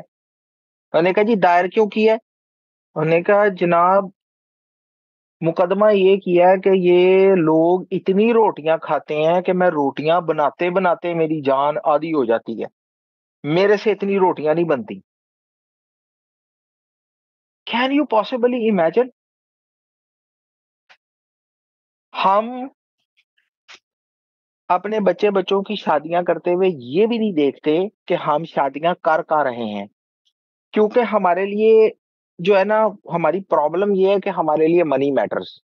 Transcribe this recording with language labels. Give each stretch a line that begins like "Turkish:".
Urdu: انہوں نے کہا جی دائر کیوں کیا ہے؟ انہوں نے کہا جناب مقدمہ یہ کیا ہے کہ یہ لوگ اتنی روٹیاں کھاتے ہیں کہ میں روٹیاں بناتے بناتے میری جان آدھی ہو جاتی ہے, میرے سے اتنی روٹیاں نہیں بنتی.
English: Can you possibly imagine?
Urdu: ہم اپنے بچے بچوں کی شادیاں کرتے ہوئے یہ بھی نہیں دیکھتے کہ ہم شادیاں کر کا رہے ہیں, کیونکہ ہمارے لیے جو ہے نا ہماری پرابلم یہ ہے کہ ہمارے لیے
English: Money matters.